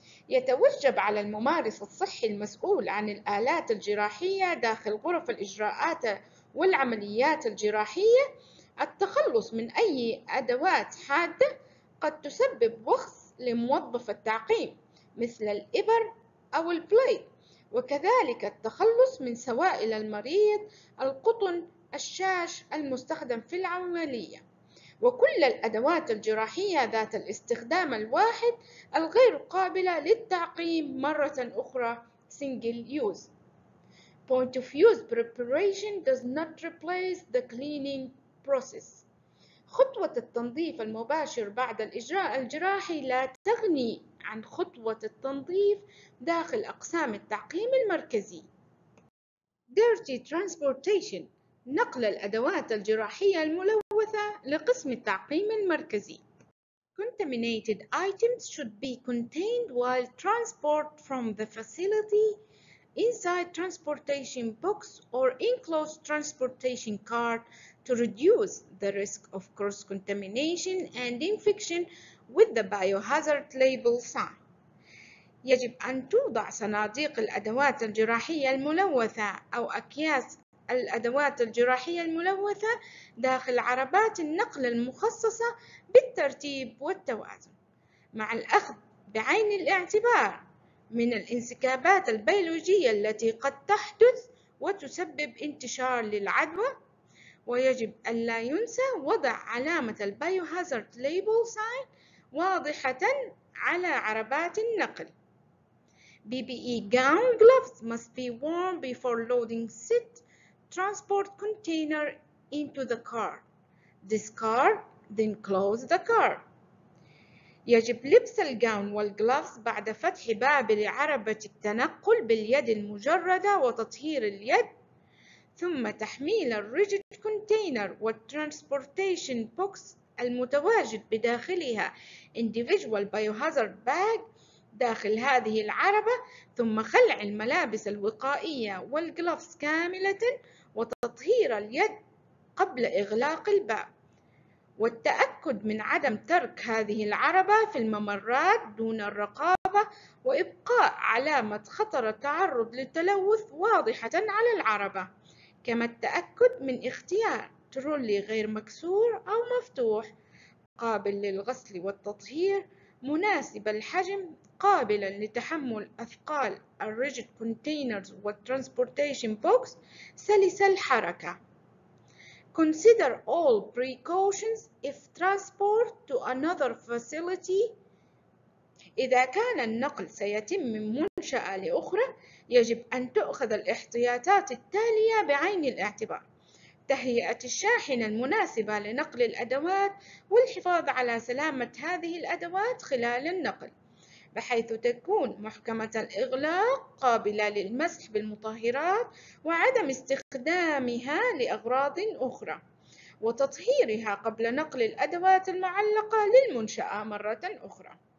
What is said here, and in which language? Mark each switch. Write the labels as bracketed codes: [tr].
[ar] يتوجب على الممارس الصحي المسؤول عن الآلات الجراحية داخل غرف الإجراءات والعمليات الجراحية التخلص من أي أدوات حادة قد تسبب وخز لموظف التعقيم مثل الإبر أو البلايد، وكذلك التخلص من سوائل المريض، القطن، الشاش المستخدم في العملية، وكل الأدوات الجراحية ذات الاستخدام الواحد الغير قابلة للتعقيم مرة أخرى [en] single use. Point of use preparation does not replace the cleaning process. [ar] خطوة التنظيف المباشر بعد الإجراء الجراحي لا تغني عن خطوة التنظيف داخل أقسام التعقيم المركزي. [en] Dirty Transportation، [ar] نقل الأدوات الجراحية الملوثة لقسم التعقيم المركزي. [en] Contaminated items should be contained while transport from the facility inside transportation box or enclosed transportation cart to reduce the risk of cross-contamination and infection with the biohazard label sign. [ar] يجب أن توضع صناديق الأدوات الجراحية الملوثة أو أكياس الأدوات الجراحية الملوثة داخل عربات النقل المخصصة بالترتيب والتوازن، مع الأخذ بعين الاعتبار من الانسكابات البيولوجية التي قد تحدث وتسبب انتشار للعدوى، ويجب ألا ينسى وضع علامة البيوهازارد ليبل ساين واضحة على عربات النقل. [en] PPE gown gloves must be worn before loading said transport container into the car. Discard, then close the car. [ar] يجب لبس الجاون والجلافز بعد فتح باب لعربة التنقل باليد المجردة وتطهير اليد، ثم تحميل الريجيد كونتينر والترانسبورتيشن بوكس المتواجد بداخلها [en] individual biohazard bag [ar] داخل هذه العربة، ثم خلع الملابس الوقائية والجلافز كاملة وتطهير اليد قبل إغلاق الباب، والتأكد من عدم ترك هذه العربة في الممرات دون الرقابة وإبقاء علامة خطر التعرض للتلوث واضحة على العربة، كما التأكد من اختيار ترولي غير مكسور أو مفتوح قابل للغسل والتطهير مناسب الحجم قابلا لتحمل أثقال الريجيد كونتينرز والترانسبورتيشن بوكس سلس الحركة. [en] Consider all precautions if transport to another facility. [ar] إذا كان النقل سيتم من منشأة لأخرى، يجب أن تؤخذ الاحتياطات التالية بعين الاعتبار: تهيئة الشاحنة المناسبة لنقل الأدوات والحفاظ على سلامة هذه الأدوات خلال النقل، بحيث تكون محكمة الإغلاق قابلة للمسح بالمطهرات وعدم استخدامها لأغراض أخرى، وتطهيرها قبل نقل الأدوات المعلقة للمنشأة مرة أخرى.